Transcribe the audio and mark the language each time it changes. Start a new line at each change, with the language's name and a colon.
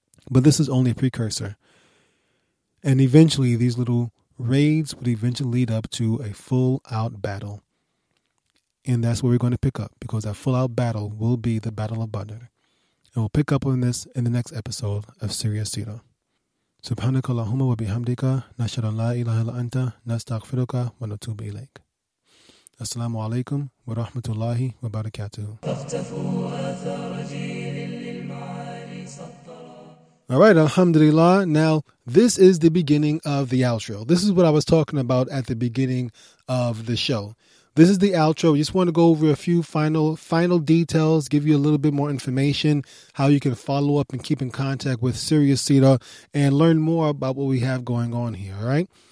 English: But this is only a precursor. And eventually, these little raids would eventually lead up to a full-out battle. And that's where we're going to pick up, because that full-out battle will be the Battle of Badr. And we'll pick up on this in the next episode of Syria Sira.
Arabic: سبحانك اللهم وبحمدك نشهد أن لا إله إلا أنت نستغفرك ونتوب إليك السلام عليكم ورحمة الله وبركاته.
English: All right, alhamdulillah. Now, this is the beginning of the outro. This is what I was talking about at the beginning of the show. This is the outro. We just want to go over a few final details, give you a little bit more information, how you can follow up and keep in contact with Syria Sira and learn more about what we have going on here, all right?